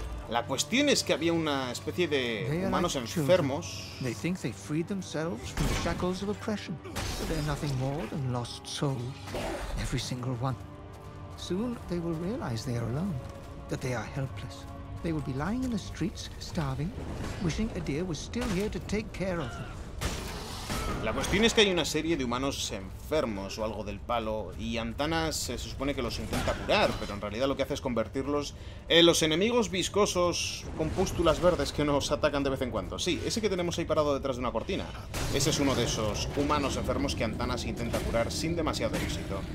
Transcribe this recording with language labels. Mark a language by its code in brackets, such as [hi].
[es] La cuestión es que había una especie de humanos enfermos. [en] They think they freed themselves from the shackles of oppression, but they're nothing more than lost souls. Every single one. Soon they will realize they are alone, that they are helpless. They will be lying in the streets, starving, wishing Adir was still here to take care of them. [es] La cuestión es que hay una serie de humanos enfermos o algo del palo y Antanas se supone que los intenta curar, pero en realidad lo que hace es convertirlos en los enemigos viscosos con pústulas verdes que nos atacan de vez en cuando. Sí, ese que tenemos ahí parado detrás de una cortina. Ese es uno de esos humanos enfermos que Antanas intenta curar sin demasiado éxito.